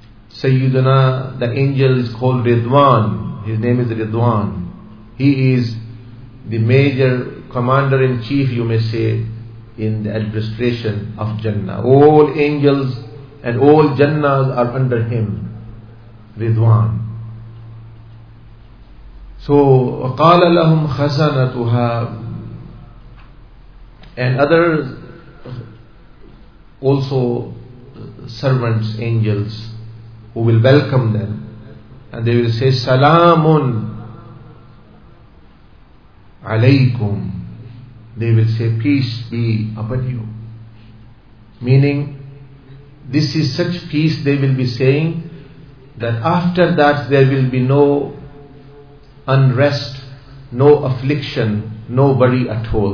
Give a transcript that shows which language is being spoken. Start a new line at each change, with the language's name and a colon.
English: Sayyiduna, the angel is called Ridwan. His name is Ridwan. He is the major commander-in-chief, you may say, in the administration of Jannah. All angels and all Jannahs are under him, Ridwan.
Arabic: So, وَقَالَ لَهُمْ خَزَنَتُهَا.
English: And other also servants, angels, who will welcome them. And they will say, سَلَامٌ عَلَيْكُمْ. They will say, peace be upon you. Meaning, this is such peace they will be saying, that after that there will be no unrest, no affliction, no worry at all.